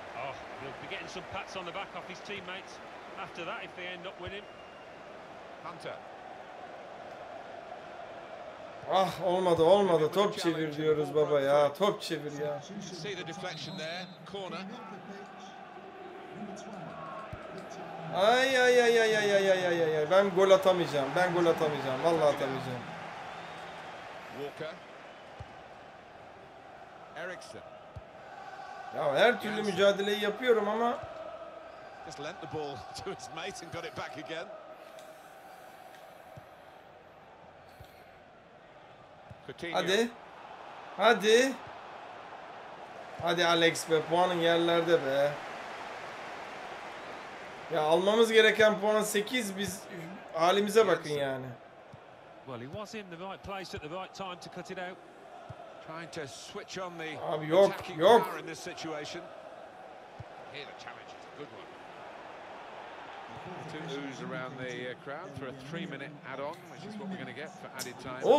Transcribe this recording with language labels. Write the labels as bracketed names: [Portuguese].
[English] Oh, he'll be getting some pats on the back off his teammates after that if they end up winning. Hunter. [Turkish] Ah, olmadı olmadı, top çevir diyoruz baba ya, top çevir ya. [English] See the deflection there, corner. [Turkish] Ay ay ay ay ay ay ay ay ay ay, ben gol atamayacağım. Ben gol atamayacağım. Vallahi atamayacağım. [English] Walker. Eriksen. [Turkish] Ya her türlü mücadeleyi yapıyorum ama [English] just lent the ball to his mate and got it back again. [Turkish] Coutinho. Hadi. Hadi. Hadi Alex be, puanın yerlerde be. Ya almamız gereken puan 8, biz halimize bakın yani. [English] Well, he was in the right place at the right time to cut it out. Trying to switch on the [Turkish] abi yok, [English] attacking [Turkish] yok. [English] Power in this situation. Here the challenge is a good one. Two oohs around the crowd for a 3-minute add-on, which is what we're going to get for added time.